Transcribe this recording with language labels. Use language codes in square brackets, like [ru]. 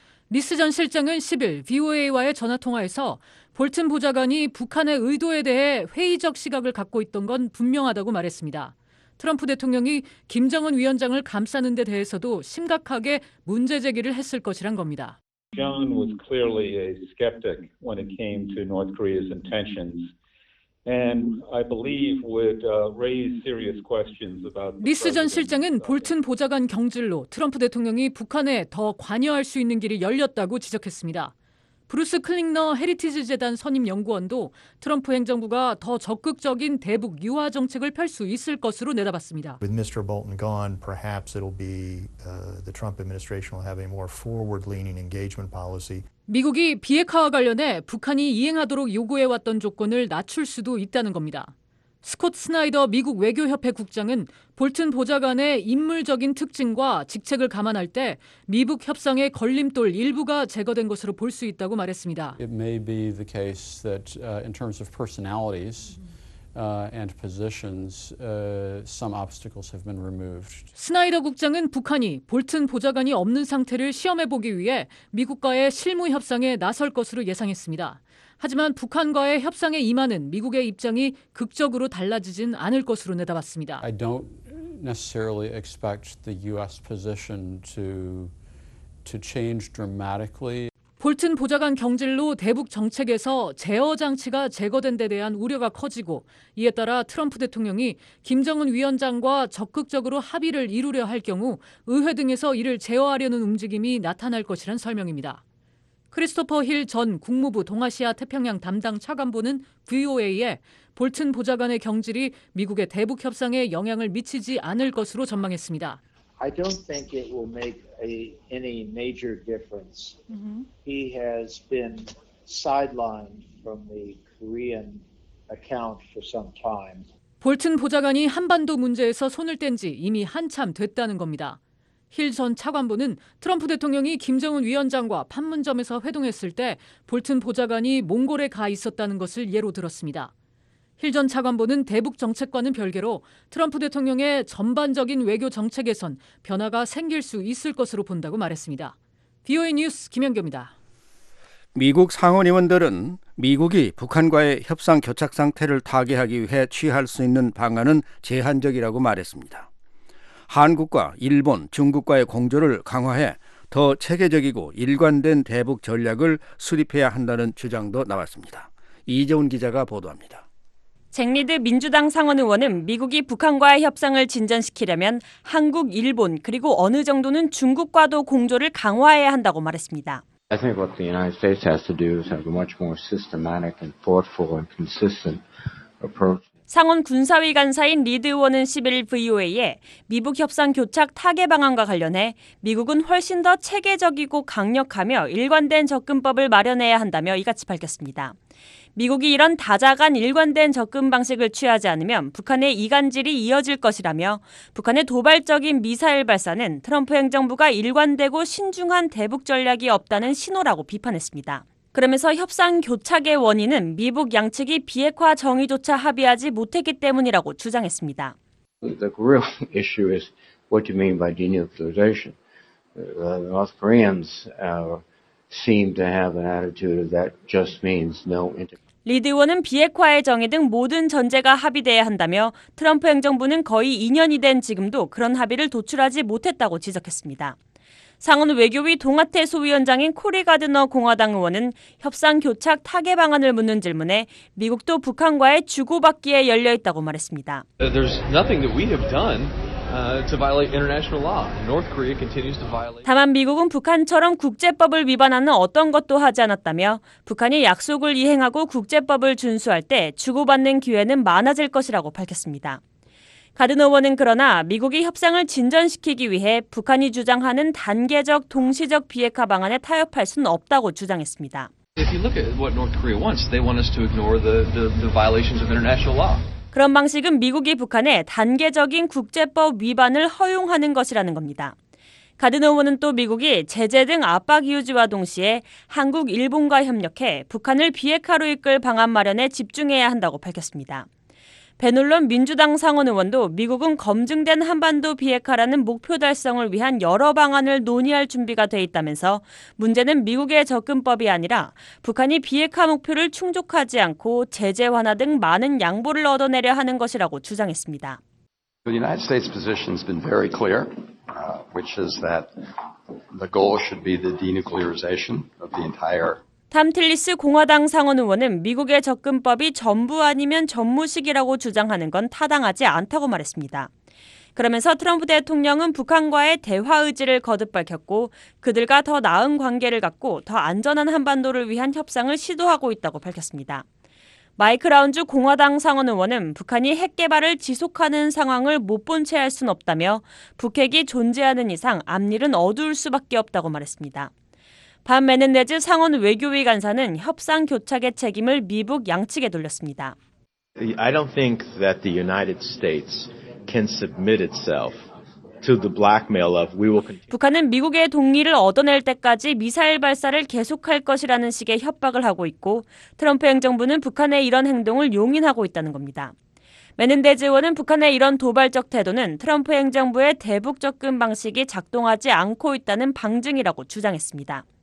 [ko] 리스 전 실장은 10일 VOA와의 전화통화에서 볼튼 보좌관이 북한의 의도에 대해 회의적 시각을 갖고 있던 건 분명하다고 말했습니다. 트럼프 대통령이 김정은 위원장을 감싸는 데 대해서도 심각하게 문제 제기를 했을 것이란 겁니다. [en] John was clearly a skeptic when it came to North Korea's intentions and I believe would raise serious questions about [ko] 리스 전 실장은 볼튼 보좌관 경질로 트럼프 대통령이 북한에 더 관여할 수 있는 길이 열렸다고 지적했습니다. 브루스 클링너 헤리티지 재단 선임 연구원도 트럼프 행정부가 더 적극적인 대북 유화 정책을 펼 수 있을 것으로 내다봤습니다. [en] With Mr. Bolton gone, perhaps it'll be the Trump administration will have a more forward-leaning engagement policy. [ko] 미국이 비핵화와 관련해 북한이 이행하도록 요구해왔던 조건을 낮출 수도 있다는 겁니다. 스콧 스나이더 미국 외교협회 국장은 볼튼 보좌관의 인물적인 특징과 직책을 감안할 때 미북 협상의 걸림돌 일부가 제거된 것으로 볼 수 있다고 말했습니다. [en] It may be the case that in terms of personalities and positions, some obstacles have been removed. [ko] 스나이더 국장은 북한이 볼튼 보좌관이 없는 상태를 시험해보기 위해 미국과의 실무 협상에 나설 것으로 예상했습니다. 하지만 북한과의 협상에 임하는 미국의 입장이 극적으로 달라지진 않을 것으로 내다봤습니다. [en] I don't necessarily expect the U.S. position to change dramatically. [ko] 볼튼 보좌관 경질로 대북 정책에서 제어 장치가 제거된 데 대한 우려가 커지고 이에 따라 트럼프 대통령이 김정은 위원장과 적극적으로 합의를 이루려 할 경우 의회 등에서 이를 제어하려는 움직임이 나타날 것이란 설명입니다. 크리스토퍼 힐 전 국무부 동아시아 태평양 담당 차관보는 VOA에 볼튼 보좌관의 경질이 미국의 대북 협상에 영향을 미치지 않을 것으로 전망했습니다. [en] I don't think it will make any major difference. He has been sidelined from the Korean account for some time. [ko] 볼튼 보좌관이 한반도 문제에서 손을 뗀 지 이미 한참 됐다는 겁니다. 힐 전 차관보는 트럼프 대통령이 김정은 위원장과 판문점에서 회동했을 때 볼튼 보좌관이 몽골에 가 있었다는 것을 예로 들었습니다. 힐 전 차관보는 대북 정책과는 별개로 트럼프 대통령의 전반적인 외교 정책에선 변화가 생길 수 있을 것으로 본다고 말했습니다. VOA 뉴스 김영교입니다. 미국 상원의원들은 미국이 북한과의 협상 교착 상태를 타개하기 위해 취할 수 있는 방안은 제한적이라고 말했습니다. 한국과 일본, 중국과의 공조를 강화해 더 체계적이고 일관된 대북 전략을 수립해야 한다는 주장도 나왔습니다. 이재훈 기자가 보도합니다. 잭 리드 민주당 상원 의원은 미국이 북한과의 협상을 진전시키려면 한국, 일본 그리고 어느 정도는 중국과도 공조를 강화해야 한다고 말했습니다. [en] I think what the United States has to do is have a much more systematic and thoughtful and consistent approach. [ko] 상원 군사위 간사인 리드 의원은 11일 VOA에 미북 협상 교착 타개 방안과 관련해 미국은 훨씬 더 체계적이고 강력하며 일관된 접근법을 마련해야 한다며 이같이 밝혔습니다. 미국이 이런 다자간 일관된 접근 방식을 취하지 않으면 북한의 이간질이 이어질 것이라며 북한의 도발적인 미사일 발사는 트럼프 행정부가 일관되고 신중한 대북 전략이 없다는 신호라고 비판했습니다. 그러면서 협상 교착의 원인은 미북 양측이 비핵화 정의조차 합의하지 못했기 때문이라고 주장했습니다. [en] The real issue is what you mean by denuclearization. The North Koreans seem to have an attitude that just means no inter. [ko] 리드 의원은 비핵화의 정의 등 모든 전제가 합의돼야 한다며 트럼프 행정부는 거의 2년이 된 지금도 그런 합의를 도출하지 못했다고 지적했습니다. 상원 외교위 동아태소 위원장인 코리 가드너 공화당 의원은 협상 교착 타개 방안을 묻는 질문에 미국도 북한과의 주고받기에 열려 있다고 말했습니다. [en] There's nothing that we have done to violate international law. North Korea continues to violate. [ko] 다만 미국은 북한처럼 국제법을 위반하는 어떤 것도 하지 않았다며 북한이 약속을 이행하고 국제법을 준수할 때 주고받는 기회는 많아질 것이라고 밝혔습니다. 가든 의원은 그러나 미국이 협상을 진전시키기 위해 북한이 주장하는 단계적 동시적 비핵화 방안에 타협할 수는 없다고 주장했습니다. [en] If you look at what North Korea wants, they want us to ignore the violations of international law. [ko] 그런 방식은 미국이 북한에 단계적인 국제법 위반을 허용하는 것이라는 겁니다. 가든 의원은 또 미국이 제재 등 압박 유지와 동시에 한국, 일본과 협력해 북한을 비핵화로 이끌 방안 마련에 집중해야 한다고 밝혔습니다. 배놀론 민주당 상원 의원도 미국은 검증된 한반도 비핵화라는 목표 달성을 위한 여러 방안을 논의할 준비가 돼 있다면서 문제는 미국의 접근법이 아니라 북한이 비핵화 목표를 충족하지 않고 제재 완화 등 많은 양보를 얻어내려 하는 것이라고 주장했습니다. [en] The United States position has been very clear, which is that the goal should be the denuclearization of the entire. [ko] 탐 틸리스 공화당 상원 의원은 미국의 접근법이 전부 아니면 전무식이라고 주장하는 건 타당하지 않다고 말했습니다. 그러면서 트럼프 대통령은 북한과의 대화 의지를 거듭 밝혔고 그들과 더 나은 관계를 갖고 더 안전한 한반도를 위한 협상을 시도하고 있다고 밝혔습니다. 마이크 라운주 공화당 상원 의원은 북한이 핵 개발을 지속하는 상황을 못 본 채 할 순 없다며 북핵이 존재하는 이상 앞일은 어두울 수밖에 없다고 말했습니다. 밤 메넨데즈 상원 외교위 간사는 협상 교착의 책임을 미북 양측에 돌렸습니다. [en] I don't think that the United States can submit itself to the blackmail of we will continue. [ko] 북한은 미국의 동의를 얻어낼 때까지 미사일 발사를 계속할 것이라는 식의 협박을 하고 있고 트럼프 행정부는 북한의 이런 행동을 용인하고 있다는 겁니다. 메넨데즈 의원은 북한의 이런 도발적 태도는 트럼프 행정부의 대북 접근 방식이 작동하지 않고 있다는 방증이라고 주장했습니다.